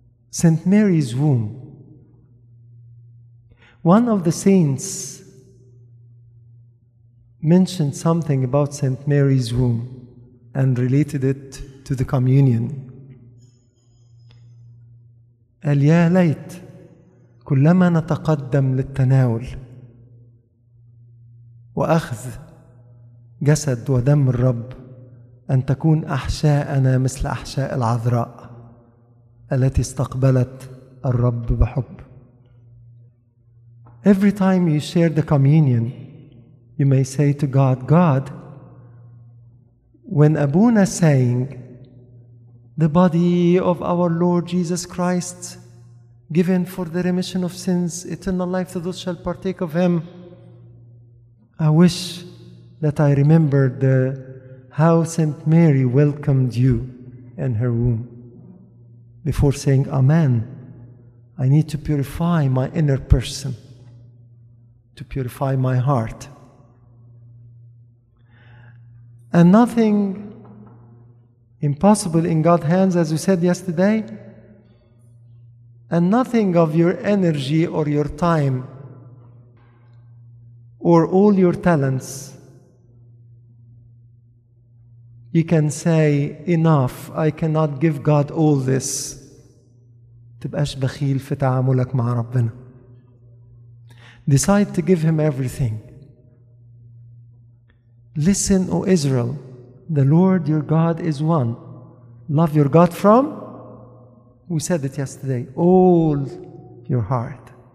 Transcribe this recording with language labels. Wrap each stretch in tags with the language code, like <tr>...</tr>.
<en>Saint Mary's womb. One of the saints mentioned something about Saint Mary's womb and related it to the communion.</en> <ar>قال يا ليت كلما نتقدم للتناول وأخذ جسد ودم الرب أن تكون أحشاءنا مثل أحشاء العذراء التي استقبلت الرب بحب.</ar> <en>Every time you share the communion, you may say to God, God, when Abuna saying the body of our Lord Jesus Christ given for the remission of sins, eternal life to those shall partake of him, I wish that I remembered how Saint Mary welcomed you in her womb. Before saying Amen, I need to purify my inner person, to purify my heart. And nothing impossible in God's hands, as we said yesterday. And nothing of your energy or your time or all your talents, you can say enough, I cannot give God all this.</en> <ar>تبقاش بخيل في تعاملك مع ربنا.</ar> <en>Decide to give him everything. Listen, O Israel, the Lord your God is one. Love your God from? We said it yesterday, all your heart.</en>